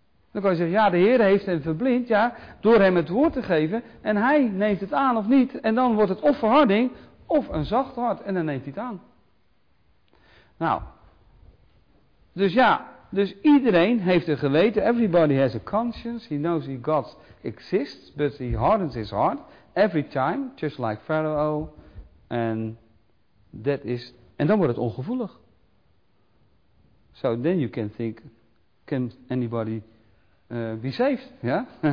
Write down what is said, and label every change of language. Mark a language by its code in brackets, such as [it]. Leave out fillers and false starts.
[nl] Dan kan je zeggen, ja, de Heer heeft hem verblind, ja, door hem het woord te geven. En hij neemt het aan of niet. En dan wordt het of verharding, of een zacht hart. En dan neemt hij het aan. Nou, dus ja, dus iedereen heeft een geweten. [en] Everybody has a conscience. He knows he God exists, but he hardens his heart. Every time, just like Pharaoh. And that is, [nl] en dan wordt het ongevoelig. [en] So then you can think, can anybody be saved, ja?